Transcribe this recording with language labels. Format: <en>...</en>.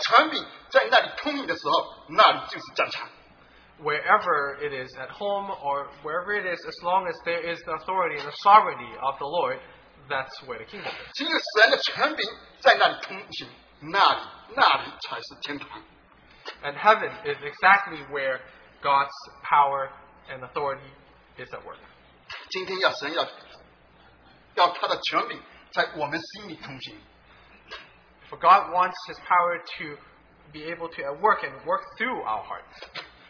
<zh>你就要在家里来实行你的权柄，你在那里实行你的权柄的时候，你的权柄在那里通行的时候，那里就是战场。</zh> <en>Wherever it is, at home or wherever it is, as long as there is the authority and the sovereignty of the Lord, that's where the kingdom is.</en> <zh>只有神的权柄在那里通行。</zh> <en>And heaven is exactly where God's power and authority is at work.</en> <zh>今天要神要他的权柄在我们心里通行。</zh> <en>For God wants his power to be able to work and work through our hearts.</en>